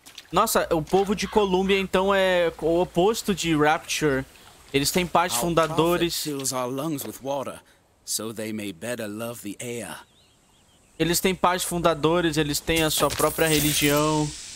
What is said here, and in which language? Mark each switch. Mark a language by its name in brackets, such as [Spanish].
[Portuguese] Nossa, o povo de Colômbia, então, é o oposto de Rapture. Eles têm pais [English] our [Portuguese] fundadores. [English] Prophet fills our lungs with water, so they may better love the air. [Portuguese] Eles têm pais fundadores, eles têm a sua própria religião.